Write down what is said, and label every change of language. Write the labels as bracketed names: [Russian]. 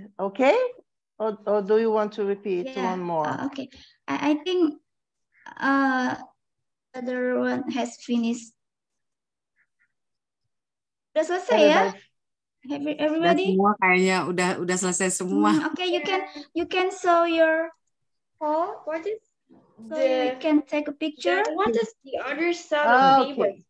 [English] Okay, or do you want to repeat one more? Okay, I think the other one has finished. [Indonesian] Udah selesai ya? [English] Everybody? [Indonesian] Semua kayaknya udah selesai semua. [English] Okay, you can show your phone. What is so the, you can take a picture. What is the other side of the paper?